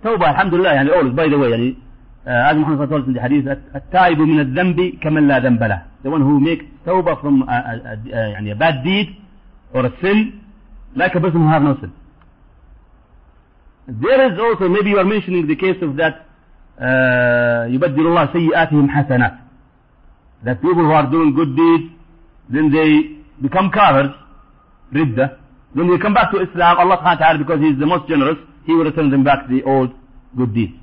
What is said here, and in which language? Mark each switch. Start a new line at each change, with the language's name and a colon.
English: Tawbah, alhamdulillah, and always, by the way, as Muhammad told us in the hadith,
Arabic: At-taibu min al-dhanbi kaman la dhanbala.
English: The one who makes Tawbah from a bad deed or a sin, like a person who has no sin. There is also, maybe you are mentioning the case of that.
Arabic: يبدل الله سيئاتهم حسنات.
English: That people who are doing good deeds, then they become cowards, ridda. Then they come back to Islam, Allah subhanahu wa ta'ala, because He is the most generous, He will return them back the old good deeds.